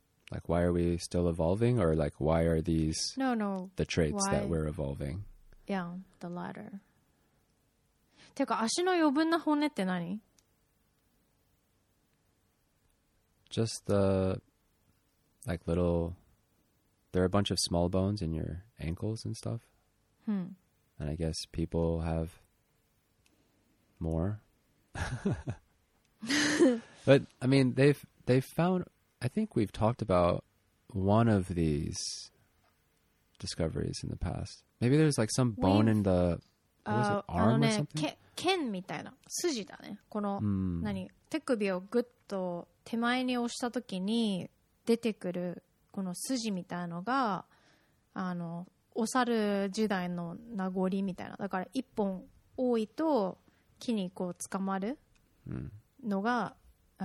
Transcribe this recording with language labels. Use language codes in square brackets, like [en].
[en] Like why are we still evolving, or like why are these no the traits that we're evolving? Yeah, the latter. [ja] てか足の余分な骨って何? [en] Just the like little there are a bunch of small bones in your ankles and stuff. Hmm. And I guess people have more. But I mean they've found I think we've talked about one of these discoveries in the past. Maybe there's like some bone in the arm or something? [ja] 剣みたいな筋だね。この、mm. 何手首をグッと手前に押した時に出てくるこの筋みたいのがあのお猿時代の名残みたいな。だから一本多いと木にこう捕まるのが、mm.